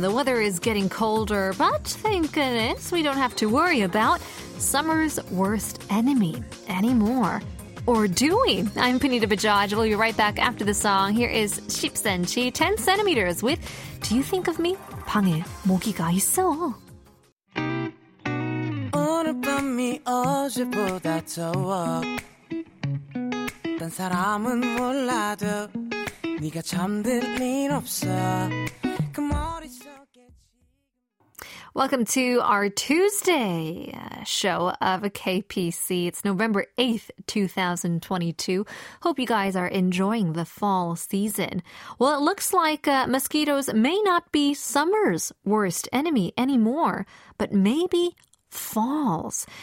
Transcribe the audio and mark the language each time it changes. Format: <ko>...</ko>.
<en>The weather is getting colder, but thank goodness we don't have to worry about summer's worst enemy anymore. Or do we? I'm Punita Bajaj. We'll be right back after the song. Here is Ship Senchi, 10 centimeters with Do You Think of Me?</en> <ko>방에 모기가 있어. 오늘 밤이 어제보다 더워 딴 사람은 몰라도 네가 잠들 일 없어 그 머릿속에</ko> <en>Welcome to our Tuesday show of KPC. It's November 8th, 2022. Hope you guys are enjoying the fall season. Well, it looks like mosquitoes may not be summer's worst enemy anymore, but maybe falls.</en>